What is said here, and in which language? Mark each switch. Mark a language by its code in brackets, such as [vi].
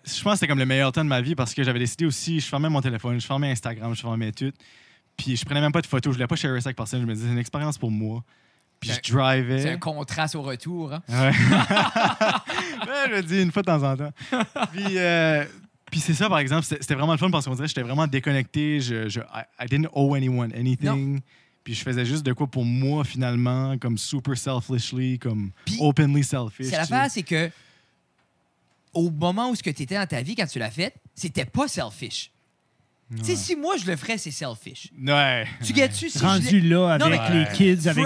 [fr] Je pense que c'était comme le meilleur temps de ma vie parce que j'avais décidé aussi, je fermais mon téléphone, je fermais Instagram, je fermais tout. Puis je prenais même pas de photos, je voulais pas share ça avec personne. Je me disais, c'est une expérience pour moi. Puis je drivais. C'est un contraste au retour. Ouais. Je le dis une fois de temps en temps. Puis c'est ça, par exemple, c'était vraiment le fun parce qu'on dirait que j'étais vraiment déconnecté. [en] I didn't owe anyone anything. [fr] Non. Puis je faisais juste de quoi pour moi, finalement, comme [en] super selfishly, [fr] comme [en] openly selfish. [fr] C'est l'affaire, c'est que. Au moment où ce que tu étais dans ta vie, quand tu l'as fait, c'était pas selfish. Ouais. Tu sais, si moi, je le ferais, c'est selfish. Ouais. Tu gâtes-tu si rendu là avec non, mais... les kids, avec